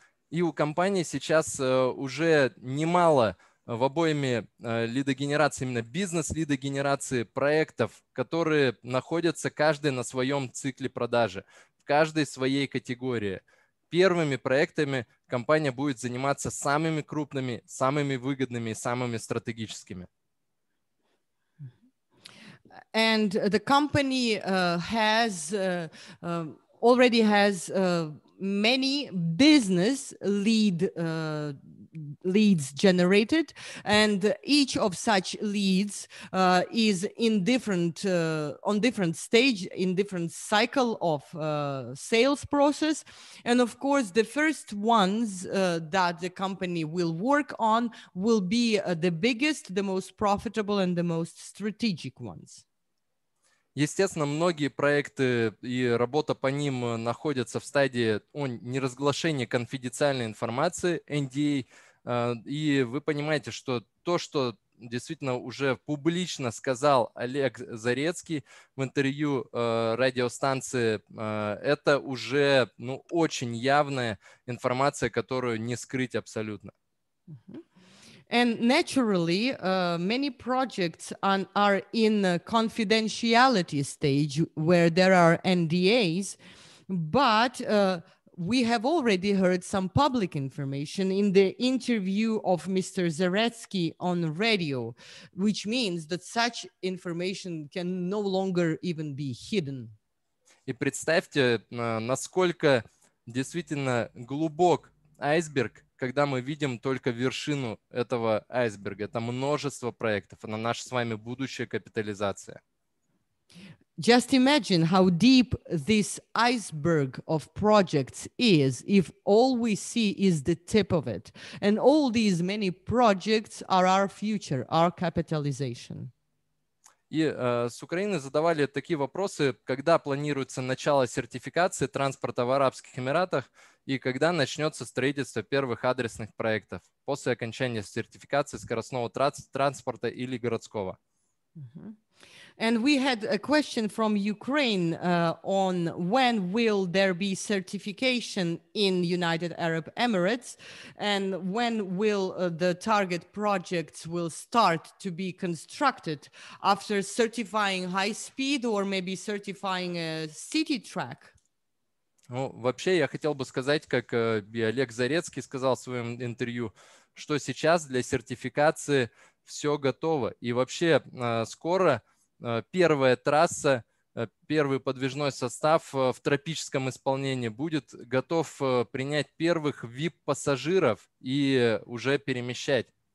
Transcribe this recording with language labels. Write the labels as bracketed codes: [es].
[ru] И у компании сейчас уже немало в обоими лидогенерации, именно бизнес-лидогенерации проектов, которые находятся каждый на своем цикле продажи, в каждой своей категории. Первыми проектами компания будет заниматься самыми крупными, самыми выгодными и самыми стратегическими. [en] And the company has already has many business leads generated, and each of such leads is in different on different stage, in different cycle of sales process, and of course the first ones that the company will work on will be the biggest, the most profitable and the most strategic ones. [ru] Естественно, многие проекты и работа по ним находятся в стадии неразглашения конфиденциальной информации, NDA, и вы понимаете, что то, что действительно уже публично сказал Олег Зарецкий в интервью радиостанции, это уже очень явная информация, которую не скрыть абсолютно. [en] And naturally, many projects are in a confidentiality stage where there are NDAs, but we have already heard some public information in the interview of Mr. Zaretsky on radio, which means that such information can no longer even be hidden. [ru] И представьте, насколько действительно глубок айсберг, когда мы видим только вершину этого айсберга. Это множество проектов, это наша с вами будущая капитализация. [en] Just imagine how deep this iceberg of projects is if all we see is the tip of it. And all these many projects are our future, our capitalization. [ru] И с Украины задавали такие вопросы, когда планируется начало сертификации транспорта в Арабских Эмиратах и когда начнется строительство первых адресных проектов после окончания сертификации скоростного транспорта или городского. [en] And we had a question from Ukraine on when will there be certification in United Arab Emirates and when will the target projects will start to be constructed after certifying high speed or maybe certifying a city track? [ru] Ну, вообще, я хотел бы сказать, как и Олег Зарецкий сказал в своем интервью, что сейчас для сертификации все готово. И вообще, скоро первая трасса, первый подвижной состав в тропическом исполнении будет готов принять первых VIP-пассажиров и уже перемещать.